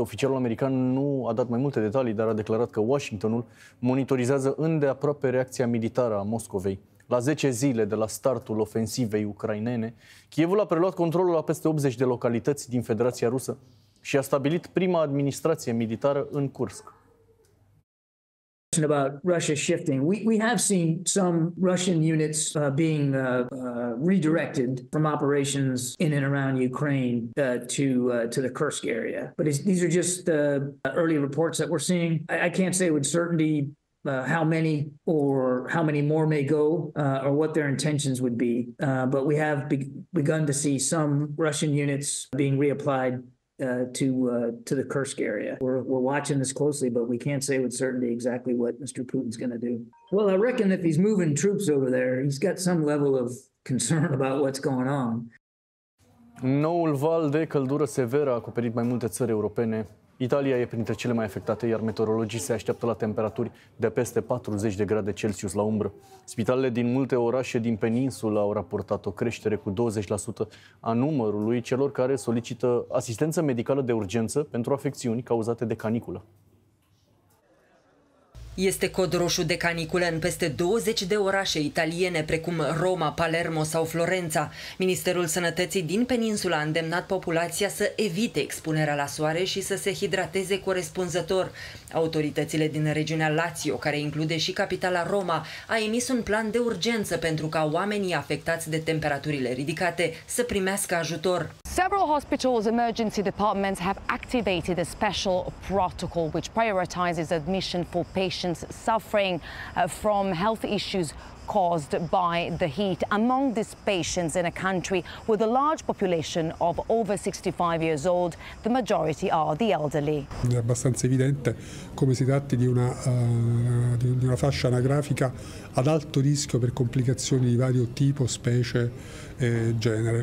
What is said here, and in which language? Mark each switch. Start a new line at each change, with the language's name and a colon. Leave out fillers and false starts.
Romanian: Oficialul american nu a dat mai multe detalii, dar a declarat că Washingtonul monitorizează îndeaproape reacția militară a Moscovei. La 10 zile de la startul ofensivei ucrainene, Kievul a preluat controlul la peste 80 de localități din Federația Rusă și a stabilit prima administrație militară în Kursk.
English: About Russia shifting. We have seen some Russian units being redirected from operations in and around Ukraine to the Kursk area. But these are just the early reports that we're seeing. I can't say with certainty how many or how many more may go or what their intentions would be. But we have begun to see some Russian units being reapplied to the Kursk area. We're watching this closely, but we can't say with certainty exactly what Mr. Putin's going to do. Well, I reckon if he's moving troops over there, he's got some level of concern about what's going on.
Romanian: Noul val de căldură severă a acoperit mai multe țări europene. Italia e printre cele mai afectate, iar meteorologii se așteaptă la temperaturi de peste 40 de grade Celsius la umbră. Spitalele din multe orașe din peninsulă au raportat o creștere cu 20% a numărului celor care solicită asistență medicală de urgență pentru afecțiuni cauzate de caniculă. Este cod roșu de caniculă în peste 20 de orașe italiene, precum Roma, Palermo sau Florența. Ministerul Sănătății din peninsula a îndemnat populația să evite expunerea la soare și să se hidrateze corespunzător. Autoritățile din regiunea Lazio, care include și capitala Roma, a emis un plan de urgență pentru ca oamenii afectați de temperaturile ridicate să primească ajutor.
English: Several hospitals emergency departments have activated a special protocol which prioritizes admission for patients suffering from health issues caused by the heat among these patients in a country with a large population of over 65 years old, the majority are the elderly.
Italian: È abbastanza evidente come si tratti di una fascia anagrafica ad alto rischio per complicazioni di vario tipo, specie e genere.